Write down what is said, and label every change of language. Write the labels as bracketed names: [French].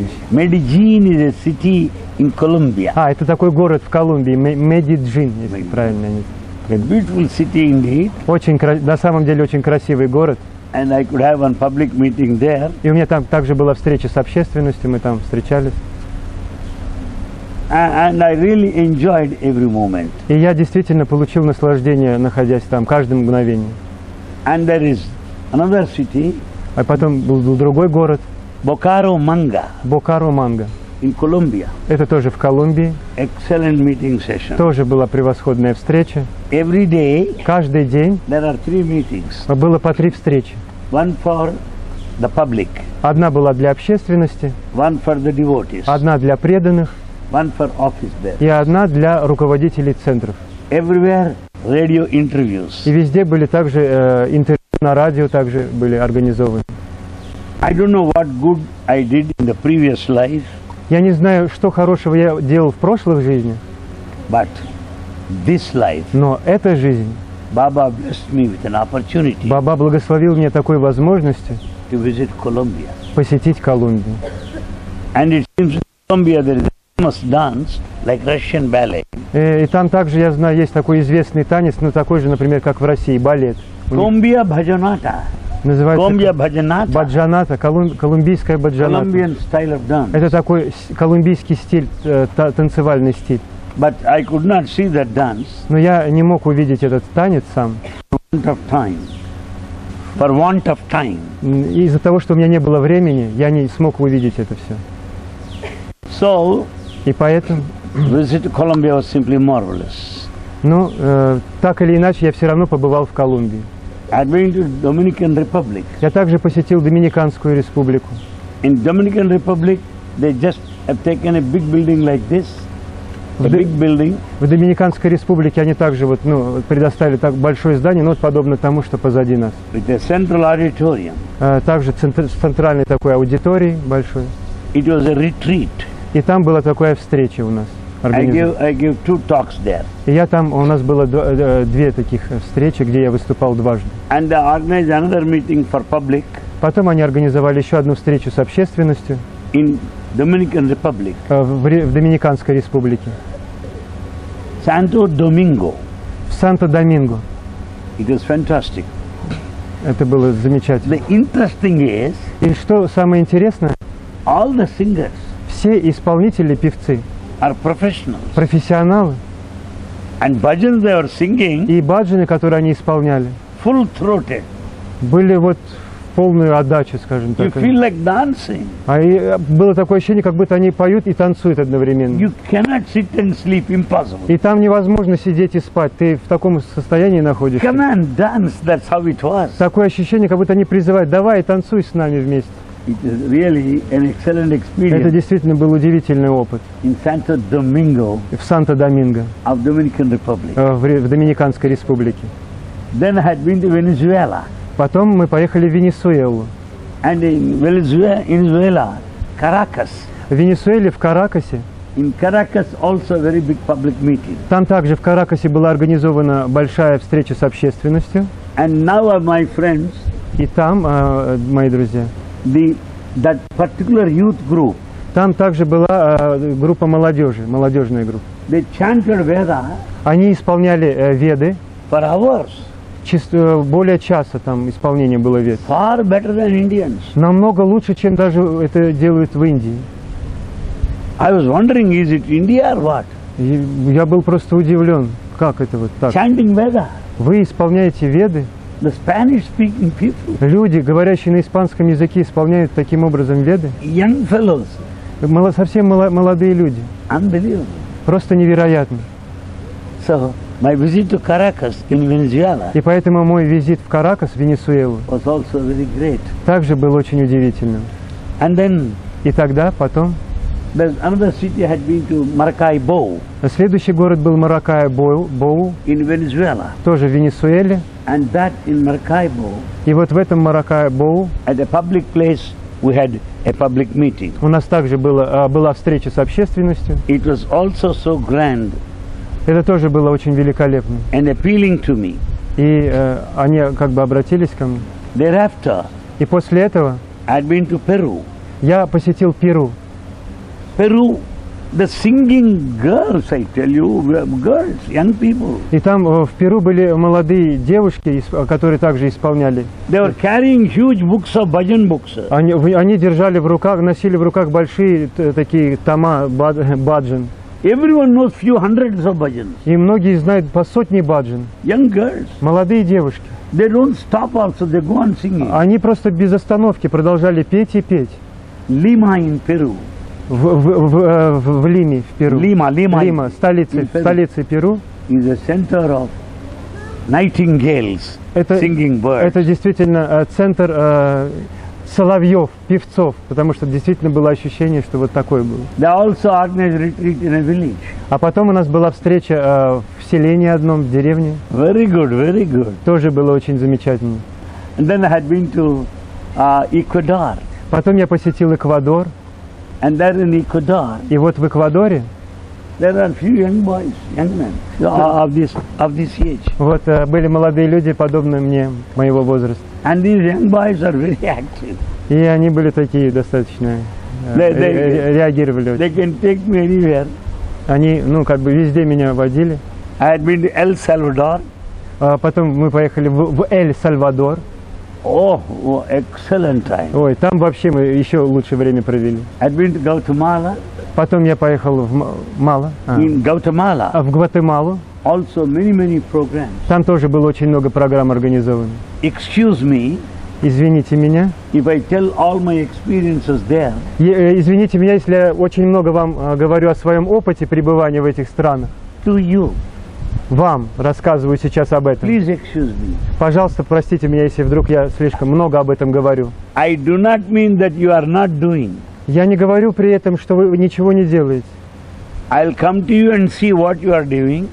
[English] Medellin is a city in Colombia. [Russian] А, это такой город в Колумбии. Medellin, если правильно. [English] A beautiful city indeed. [Russian] На самом деле очень красивый город. [English] And I could have a public meeting there. [Russian] И у меня там также была встреча с общественностью, мы там встречались. [English] And I really enjoyed every moment. [Russian] И я действительно получил наслаждение, находясь там, каждое мгновение. [English] And there is another city. [Russian] А потом был другой город. Бокаро-Манга. Бокаро-Манга. [English] In Colombia. [Russian] Это тоже в Колумбии. [English] Excellent meeting session. [Russian] Тоже была превосходная встреча. [English] Every day. [Russian] Каждый день. [English] There are three meetings. [Russian] Было по три встречи. [English] One for the public. [Russian] Одна была для общественности. [English] One for the devotees. [Russian] Одна для преданных. [English] One for office there. [Russian] И одна для руководителей центров. [English] Everywhere radio interviews. [Russian] И везде были также интервью на радио также были организованы. [English] I don't know what good I did in the previous life. [Russian] Я не знаю, что хорошего я делал в прошлых жизнях. [English] But this life. [Russian] Но эта жизнь. [English] Baba blessed me with an opportunity. [Russian] Баба благословил меня такой возможностью. [English] To visit Colombia. [Russian] Посетить Колумбию. [English] And it seems in Colombia there is famous dance like Russian ballet. [Russian] И там также, я знаю, есть такой известный танец, но такой же, например, как в России, балет. Колумбия баджаната. Называется баджаната, колумбийская баджаната. [English] Colombian style of dance. [Russian] Это такой колумбийский стиль, танцевальный стиль. [English] But I could not see that dance. [Russian] Но я не мог увидеть этот танец сам. [English] For want of time. [Russian] Из-за того, что у меня не было времени, я не смог увидеть это все. [English] So, [Russian] и поэтому [English] visit to Colombia was simply marvelous. [Russian] Ну, так или иначе, я все равно побывал в Колумбии. [English] I've been to Dominican Republic. [Russian] Я также посетил Доминиканскую республику. [English] In Dominican Republic, they just have taken a big building like this [Russian] В Доминиканской Республике они также вот, ну, предоставили так большое здание, ну, вот подобно тому, что позади нас. [English] With a central auditorium. [Russian] Также центральной такой аудитории большой. [English] It was a retreat. [Russian] И там была такая встреча у нас. [English] I give two talks there. [Russian] И я там, у нас было две таких встречи, где я выступал дважды. [English] And they organized another meeting for public. [Russian] Потом они организовали еще одну встречу с общественностью. [English] In Dominican Republic. [Russian] В Доминиканской Республике. [English] Santo Domingo. [Russian] В Санто-Доминго. [English] It was fantastic. [Russian] Это было замечательно. [English] The interesting is. [Russian] И что самое интересное? [English] All the singers. [Russian] Все исполнители, певцы. [English] Are professionals. [Russian] Профессионалы. [English] And bhajans they were singing. [Russian] И баджаны, которые они исполняли. [English] Full throated. [Russian] Были вот полную отдачу, скажем так. [English] You feel like dancing. [Russian] А и было такое ощущение, как будто они поют и танцуют одновременно. [English] You cannot sit and sleep. Impossible. [Russian] И там невозможно сидеть и спать. Ты в таком состоянии находишься. [English] Come on, dance. That's how it was. [Russian] Такое ощущение, как будто они призывают: давай, танцуй с нами вместе. [English] It is really an excellent experience. [Russian] Это действительно был удивительный опыт. [English] In Santo Domingo. [Russian] В Санто-Доминго. [English] Of Dominican Republic. [Russian] В Доминиканской Республике. [English] Then I had been to Venezuela. [Russian] Потом мы поехали в Венесуэлу. [English] And in Venezuela, Caracas. [Russian] В Венесуэле, в Каракасе. [English] In Caracas also very big public meeting. [Russian] Там также в Каракасе была организована большая встреча с общественностью. [English] And now are my friends. [Russian] И там мои друзья. [English] That particular youth group. [Russian] Там также была группа молодежи, молодежная группа. [English] They chanted Veda. [Russian] Они исполняли Веды. [English] For hours. [Russian] Более часа там исполнение было вед. [English] Far better than Indians. [Russian] Намного лучше, чем даже это делают в Индии. [English] I was wondering, is it India or what? [Russian] Я был просто удивлен, как это вот так. [English] Chanting Veda. [Russian] Вы исполняете Веды? [English] The Spanish-speaking people. [Russian] Люди, говорящие на испанском языке, исполняют таким образом Веды? [English] Young fellows. [Russian] Совсем молодые люди. [English] Unbelievable. [Russian] Просто невероятно. [English] So. My visit to Caracas in Venezuela. [Russian] И поэтому мой визит в Каракас, в Венесуэлу, [English] was also very great. [Russian] Также был очень удивительным. [English] And then. [Russian] И тогда, потом. [English] There's another city had been to Maracaibo. [Russian] Следующий город был Маракайбо. [English] In Venezuela. [Russian] Тоже в Венесуэле. [English] And that in Maracaibo. [Russian] И вот в этом Маракайбо. [English] At a public place we had a public meeting. [Russian] У нас также была встреча с общественностью. [English] It was also so grand. [Russian] Это тоже было очень великолепно. [English] And appealing to me. [Russian] И они как бы обратились ко мне. [English] Thereafter, [Russian] и после этого [English] I'd been to Peru. [Russian] Я посетил Перу. [English] Peru, the singing girls, I tell you, girls, young people. [Russian] И там в Перу были молодые девушки, которые также исполняли. [English] They were carrying huge books of bhajan books. [Russian] Они держали в руках, носили в руках большие такие тома баджан. [English] Everyone knows few hundreds of bhajans. [Russian] И многие знают по сотне баджан. [English] Young girls. [Russian] Молодые девушки. [English] They don't stop also, they go on singing. [Russian] Они просто без остановки продолжали петь и петь. [English] Lima in Peru. [Russian] В Лиме, в Перу. [English] Lima, [Russian] столица Перу. [English] Is the center of nightingales, singing birds. [Russian] Это действительно центр соловьев, певцов, потому что действительно было ощущение, что вот такое было. [English] They also organized retreat in a village. [Russian] А потом у нас была встреча в селении одном, в деревне. [English] Very good, very good. [Russian] Тоже было очень замечательно. [English] And then I had been to Ecuador. [Russian] Потом я посетил Эквадор. [English] And there in Ecuador. [Russian] И вот в Эквадоре. [English] There are few young boys, young men of this age. [Russian] Вот были молодые люди, подобные мне, моего возраста. [English] And these young boys are very active. [Russian] И они были такие достаточно реагировали. [English] They can take me anywhere. [Russian] Они, ну, как бы везде меня водили. [English] I had been to El Salvador. [Russian] Потом мы поехали в Эль-Сальвадор. [English] Oh, excellent time. [Russian] Ой, там вообще мы еще лучшее время провели. [English] I'd been to Guatemala. [Russian] Потом я поехал в Мало. [English] In Guatemala. [Russian] В Гватемалу. [English] Also many programs. [Russian] Там тоже было очень много программ организовано. [English] Excuse me. [Russian] Извините меня. [English] If I tell all my experiences there. [Russian] Извините меня, если я очень много вам говорю о своем опыте пребывания в этих странах. [English] To you. [Russian] Вам рассказываю сейчас об этом. [English] Please excuse me. [Russian] Пожалуйста, простите меня, если вдруг я слишком много об этом говорю. [English] I do not mean that you are not doing. [Russian] Я не говорю при этом, что вы ничего не делаете. [English] I'll come to you and see what you are doing.